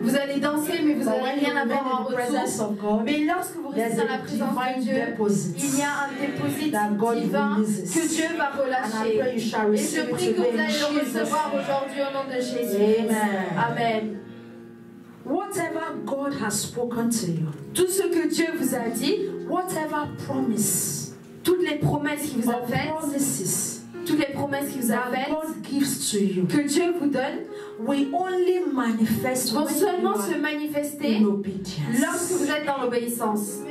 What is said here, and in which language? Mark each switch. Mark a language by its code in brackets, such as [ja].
[fr] Vous allez danser, mais vous n'allez rien avoir en retour. [en] Presence of God, [fr] mais lorsque vous restez dans la présence de Dieu, [en] deposit, [fr] il y a un dépôt divin que Dieu va relâcher. [en] And I pray you [fr] et je prie que vous allez le recevoir aujourd'hui au nom de Jésus. [en] Amen. [fr] Amen. [en] Whatever God has spoken to you, [fr] tout ce que Dieu vous a dit, [en] whatever promise, [fr] toutes les promesses qu'il vous a faites, [en] promises, [fr] toutes les promesses qu'il vous a faites, [en] God gives to you, [fr] que Dieu vous donne, [en] we only manifest [fr] vont seulement se manifester [en] in obedience. [fr] Lorsque vous êtes dans l'obéissance.